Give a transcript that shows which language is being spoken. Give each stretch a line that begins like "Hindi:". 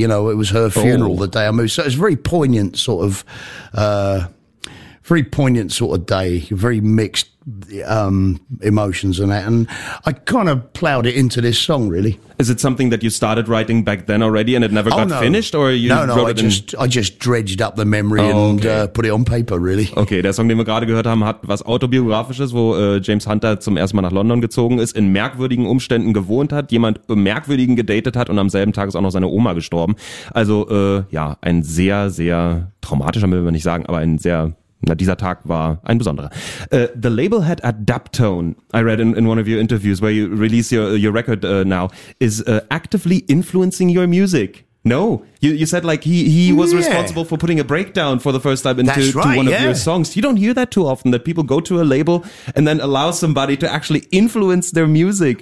English: You know, it was her funeral the day I moved. So it was a very poignant sort of day, very mixed emotions and that. And I kind of plowed it into this song, really. Is it something that you started writing back then already and it never got finished? I just dredged up the memory and put it on paper, really.
German: Okay, der Song, den wir gerade gehört haben, hat was Autobiografisches, wo James Hunter zum ersten Mal nach London gezogen ist, in merkwürdigen Umständen gewohnt hat, jemand merkwürdigen gedatet hat und am selben Tag ist auch noch seine Oma gestorben. Also ein sehr, sehr traumatischer, will man nicht sagen, aber ein sehr... Na, dieser Tag war ein besonderer.
English: The label had Adaptone, I read in one of your interviews where you release your record now, is actively influencing your music. No, you said like he was responsible for putting a breakdown for the first time into one of your songs. You don't hear that too often, that people go to a label and then allow somebody to actually influence their music.